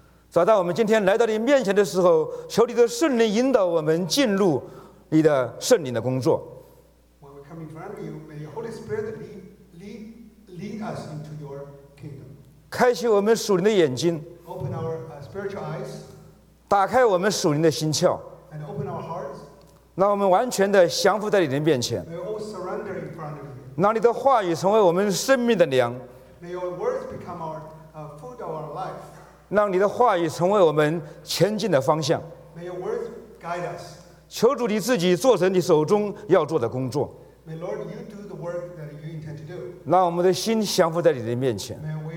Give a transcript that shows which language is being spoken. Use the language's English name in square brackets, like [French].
[Chinese] 早在我们今天来到你面前的时候，求你的圣灵引导我们进入你的圣灵的工作。 [English] When we come in front of you, may your Holy Spirit lead us into your kingdom. [Chinese] 开启我们属灵的眼睛。 [English] Open our spiritual eyes. [Chinese] 打开我们属灵的心窍。 [English] And open our hearts. [Chinese] 让我们完全的降服在你的面前。 [English] May all surrender in front of you. [Chinese] 让你的话语成为我们生命的粮。 [English] May your words become our food of our life. [Chinese] 让你的话语成为我们前进的方向。 [English] May your words guide us. [Chinese] 求主你自己做成你手中要做的工作。 [English] May Lord, you do the work that you intend to do. [Chinese] 让我们的心降服在你的面前。 [English] May